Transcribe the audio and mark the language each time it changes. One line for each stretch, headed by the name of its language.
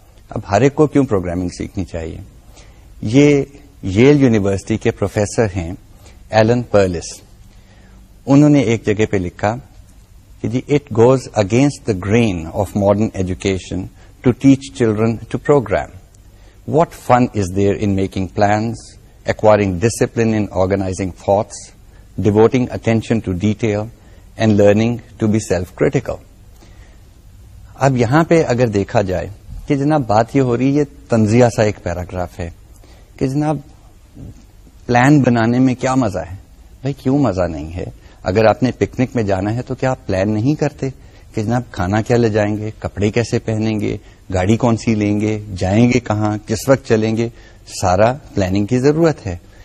Urdu: اب ہر ایک کو کیوں پروگرامنگ سیکھنی چاہیے, یہ یل یونیورسٹی کے پروفیسر ہیں ایلن پرلس, انہوں نے ایک جگہ پہ لکھا کہ جی
English: It goes against the grain of modern education to teach children to program. What fun is there in making plans, acquiring discipline in organizing thoughts, devoting attention to detail, and learning to be self-critical?
Urdu: اب یہاں پہ اگر دیکھا جائے کہ جناب بات یہ ہو رہی ہے, یہ تنزیہ سا ایک پیراگراف ہے کہ جناب پلان بنانے میں کیا مزہ ہے. بھائی کیوں مزہ نہیں ہے, اگر آپ نے پکنک میں جانا ہے تو کیا آپ پلان نہیں کرتے کہ جناب کھانا کیا لے جائیں گے, کپڑے کیسے پہنیں گے, گاڑی کون سی لیں گے, جائیں گے کہاں, کس وقت چلیں گے, سارا پلاننگ کی ضرورت ہے.